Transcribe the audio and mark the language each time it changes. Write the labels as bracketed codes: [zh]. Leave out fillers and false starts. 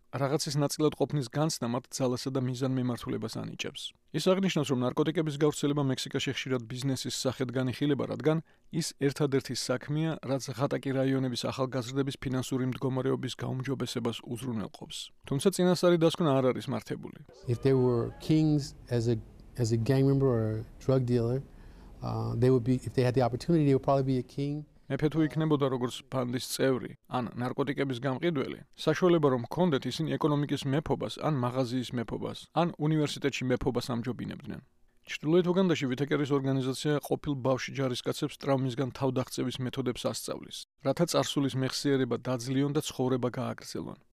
[ka] რაღაცის ნაწილად ყოფნის განცდა მათ ძალასა და მიზანმიმართულებას ანიჭებს. ის აღნიშნავს, რომ ნარკოტიკების გავრცელება მექსიკაში ხშირად ბიზნესის სახედ განიხილება, რადგან ის ერთადერთი საქმეა, რაც ღატაკი რაიონების ახალგაზრდების ფინანსური მდგომარეობის გაუმჯობესებას უზრუნველყოფს. თუმცა წინასწარი დასკვნა არ არის მართებული. [en] If they were kings as a gang member or a drug dealer, they would be if they had the opportunity they would probably be a king. [ka] მეფე თუ იქნებოდა როგორც ბანდის წევრი, ან ნარკოტიკების გამყიდველი, საშუალება რომ ჰქონდეთ ისინი ეკონომიკის მეფობას, ან მაღაზიის მეფობას, ან უნივერსიტეტში მეფობას ამჯობინებდნენ. ჩრდილოეთ უგანდაში ვიტეკერის ორგანიზაცია ყოფილ ბავშვ ჯარისკაცებს ტრავმისგან თავდაღწევის მეთოდებს ასწავლის, რათა წარსულის მეხსიერება დაძლიონ და ცხოვრება გააგრძელონ.